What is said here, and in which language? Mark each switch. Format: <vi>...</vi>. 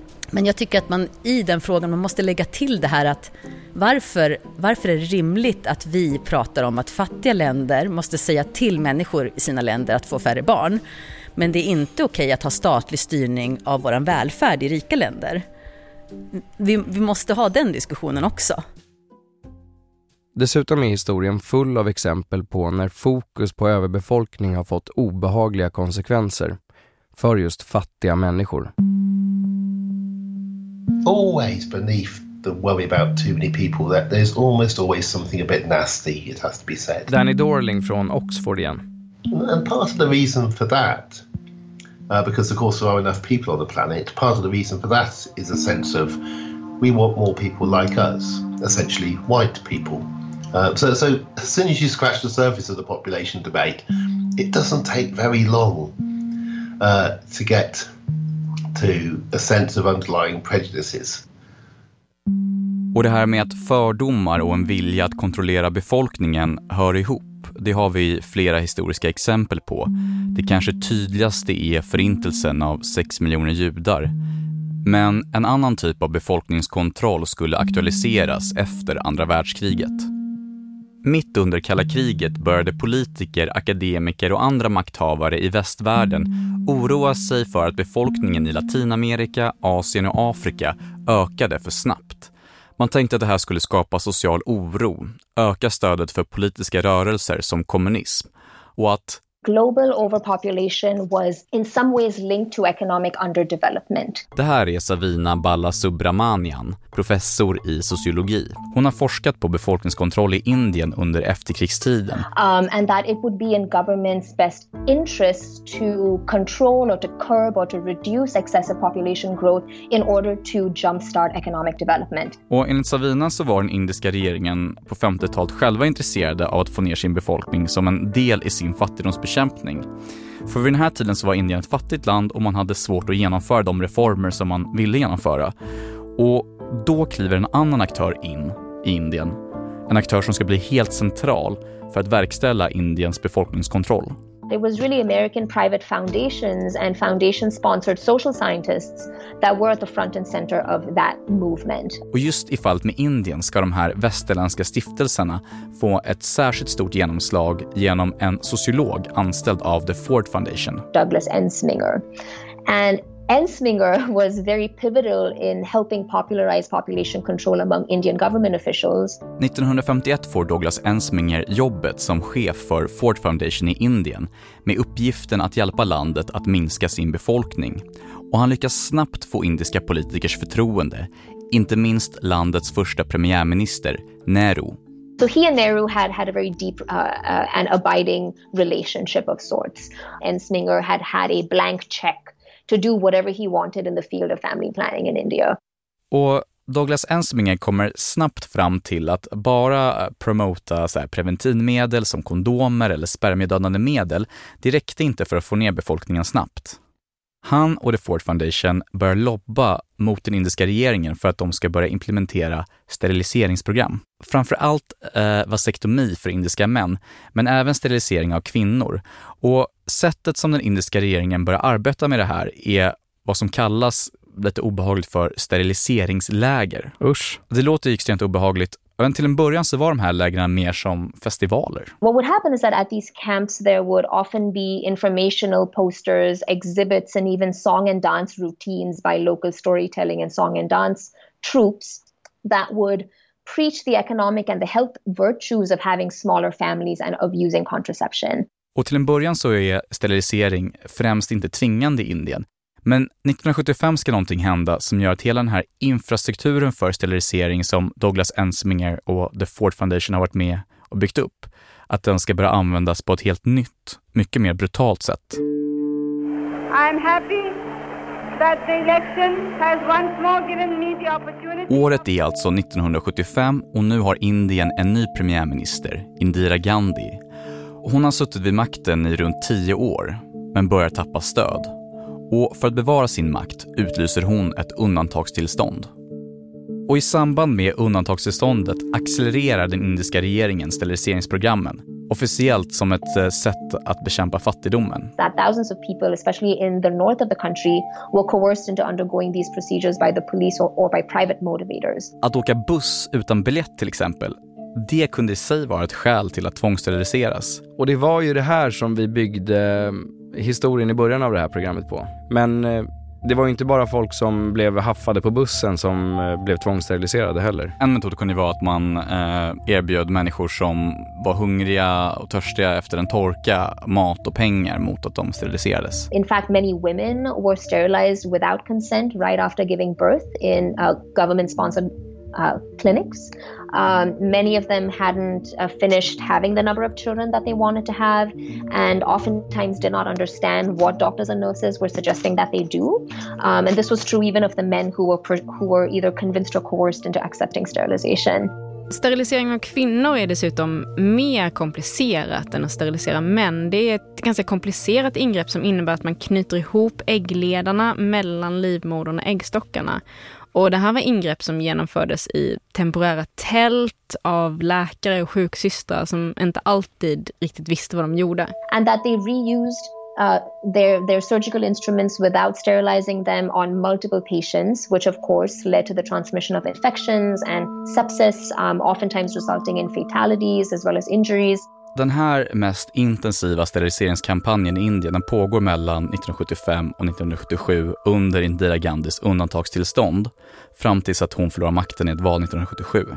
<sv>Men jag tycker att man i den frågan, man måste lägga till det här att varför är det rimligt att vi pratar om att fattiga länder måste säga till människor i sina länder att få färre barn, men det är inte okej att ha statlig styrning av våran välfärd i rika länder. Vi måste ha den diskussionen också. Dessutom är historien full av exempel på när fokus på överbefolkning har fått obehagliga konsekvenser för just fattiga människor.</sv> <en>Always beneath the worry about too many people, that there's almost always something a bit nasty, it has to be said.</en> <sv>Danny Dorling från Oxford igen.</sv> <en>And part of the reason for that, because of course there are enough people on the planet, part of the reason for that is a sense of we want more people like us, essentially white people. So as soon as you scratch the surface of the population debate, it doesn't take very long to get to a sense of underlying prejudices.</en> <sv>Och det här med att fördomar och en vilja att kontrollera befolkningen hör ihop, det har vi flera historiska exempel på. Det kanske tydligaste är förintelsen av 6 miljoner judar. Men en annan typ av befolkningskontroll skulle aktualiseras efter andra världskriget. Mitt under kalla kriget började politiker, akademiker och andra makthavare i västvärlden oroa sig för att befolkningen i Latinamerika, Asien och Afrika ökade för snabbt. Man tänkte att det här skulle skapa social oro, öka stödet för politiska rörelser som kommunism och att</sv> <en>global overpopulation was in some ways linked to economic underdevelopment.</en> <sv>Det här är Savina Balasubramanian, professor i sociologi. Hon har forskat på befolkningskontroll i Indien under efterkrigstiden.</sv> <en>And that it would be in government's best interest to control or to curb or to reduce excessive population growth in order to jumpstart economic development.</en> <sv>Och enligt Savina så var den indiska regeringen på 50-talet själva intresserade av att få ner sin befolkning som en del i sin fattigdomsbekämpning. För vid den här tiden så var Indien ett fattigt land och man hade svårt att genomföra de reformer som man ville genomföra. Och då kliver en annan aktör in i Indien. En aktör som ska bli helt central för att verkställa Indiens befolkningskontroll.</sv> <en>It was really American private foundations and foundation-sponsored social scientists that were at the front and center of that movement.</en> <sv>Och just i fallet med Indien ska de här västerländska stiftelserna få ett särskilt stort genomslag genom en sociolog anställd av The Ford Foundation.</sv> <en>Douglas Ensminger. And Ensminger was very pivotal in helping popularize population control among Indian government officials.</en> <sv>1951 får Douglas Ensminger jobbet som chef för Ford Foundation i Indien med uppgiften att hjälpa landet att minska sin befolkning. Och han lyckas snabbt få indiska politikers förtroende, inte minst landets första premiärminister, Nehru.</sv> <en>So he and Nehru had a very deep and abiding relationship of sorts. Ensminger had a blank check to do whatever he wanted in the field of family planning in India.</en> <sv>Och Douglas Ensminger kommer snabbt fram till att bara promota så här preventivmedel som kondomer eller spermiedödande medel, det räckte inte för att få ner befolkningen snabbt. Han och The Ford Foundation börjar lobba mot den indiska regeringen för att de ska börja implementera steriliseringsprogram. Framförallt vasektomi för indiska män, men även sterilisering av kvinnor. Och sättet som den indiska regeringen börjar arbeta med det här är vad som kallas lite obehagligt för steriliseringsläger. Usch. Det låter ju extremt obehagligt. Men till en början så var de här lägren mer som festivaler.</sv> <en>What would happen is that at these camps there would often be informational posters, exhibits and even song and dance routines by local storytelling and song and dance troops that would preach the economic and the health virtues of having smaller families and of using contraception.</en> <sv>Och till en början så är sterilisering främst inte tvingande i Indien. Men 1975 ska någonting hända som gör att hela den här infrastrukturen för sterilisering som Douglas Ensminger och The Ford Foundation har varit med och byggt upp, att den ska börja användas på ett helt nytt, mycket mer brutalt sätt.</sv> <en>I'm happy that the election has once more given me the opportunity.</en> <sv>Året är alltså 1975 och nu har Indien en ny premiärminister, Indira Gandhi. Hon har suttit vid makten i runt 10 år, men börjar tappa stöd. Och för att bevara sin makt utlyser hon ett undantagstillstånd. Och i samband med undantagstillståndet accelererar den indiska regeringen steriliseringsprogrammen, officiellt som ett sätt att bekämpa fattigdomen.</sv> <en>That thousands of people, especially in the north of the country, were coerced into undergoing these procedures by the police or by private motivators.</en> <sv>Att åka buss utan biljett till exempel, det kunde i sig vara ett skäl till att tvångssteriliseras. Och det var ju det här som vi byggde historien i början av det här programmet på. Men det var ju inte bara folk som blev haffade på bussen som blev tvångssteriliserade heller. En metod kunde vara att man erbjöd människor som var hungriga och törstiga efter en torka mat och pengar mot att de steriliserades.</sv> <en>In fact, many women were sterilized without consent right after giving birth in a government-sponsored clinics. Many of them hadn't finished having the number of children that they wanted to have, and oftentimes did not understand what doctors and nurses were suggesting that they do. And this was true even of the men who were either convinced or coerced into accepting sterilization.</en> <sv>Sterilisering av kvinnor är dessutom mer komplicerat än att sterilisera män. Det är ett ganska komplicerat ingrepp som innebär att man knyter ihop äggledarna mellan livmodern och äggstockarna. Och det här var ingrepp som genomfördes i temporära tält av läkare och sjuksystrar som inte alltid riktigt visste vad de gjorde. And that they reused their surgical instruments without sterilizing them on multiple patients, which of course led to the transmission of infections and sepsis, oftentimes resulting in fatalities as well as injuries. Den här mest intensiva steriliseringskampanjen i Indien pågår mellan 1975 och 1977 under Indira Gandhis undantagstillstånd fram tills att hon förlorar makten i ett val 1977.</sv>